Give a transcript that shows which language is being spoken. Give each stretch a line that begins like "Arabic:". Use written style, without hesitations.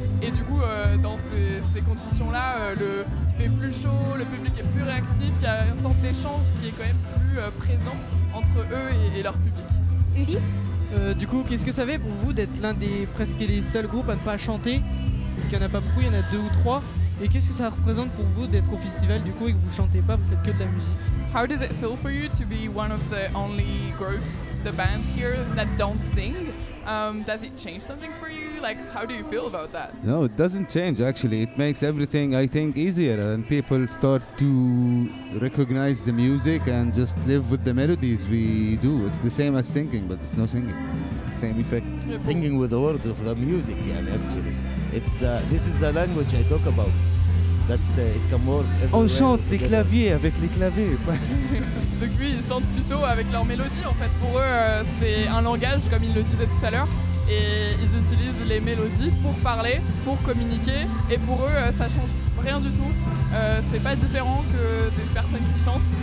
French: Et du coup, dans ces conditions-là, il fait plus chaud, le public est plus réactif, il y a une sorte d'échange qui est quand même plus présent entre eux et leur public. Ulysse ? Du coup, qu'est-ce que ça fait pour vous d'être l'un des presque les seuls groupes à ne pas chanter ? Parce qu'il n'y en a pas beaucoup, il y en a deux ou trois. Et qu'est-ce que ça représente pour vous d'être au festival du coup et que vous chantez pas, vous faites que de la musique?
English: How does it feel for you to be one of the only groups, the bands here that don't sing? Does it change something for you? Like, how do you feel about that? No, it doesn't change actually. It makes everything, I think, easier, and people start to recognize the music and just live with the melodies we do. It's the same as singing, but it's no singing. It's the same effect. Yeah, singing with the words of the music, yeah, actually. This is the language I talk about. That it can work everywhere.
French: On chante together. Les claviers avec les claviers. Donc oui, ils chantent plutôt avec leurs mélodies. En fait, pour eux, c'est un langage, comme ils le disaient tout à l'heure. Et ils utilisent les mélodies pour parler, pour communiquer. Et pour eux, ça change rien du tout. C'est pas différent que des personnes qui chantent.